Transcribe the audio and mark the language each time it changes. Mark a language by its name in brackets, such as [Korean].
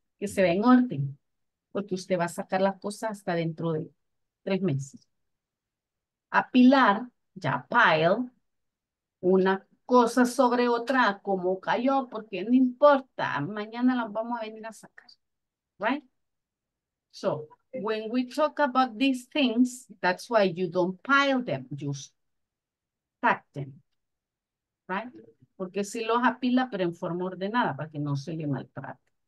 [Spanish] Que se ve en orden, porque usted va a sacar las cosas hasta dentro de 3 meses. Apilar, ya pile, una cosa sobre otra, como cayó, porque no importa, mañana las vamos a venir a sacar. [English] Right? So, when we talk about these things, that's why you don't pile them, just stack them. Right? [Spanish] Porque si los apila, pero en forma ordenada, para que no se le maltrate.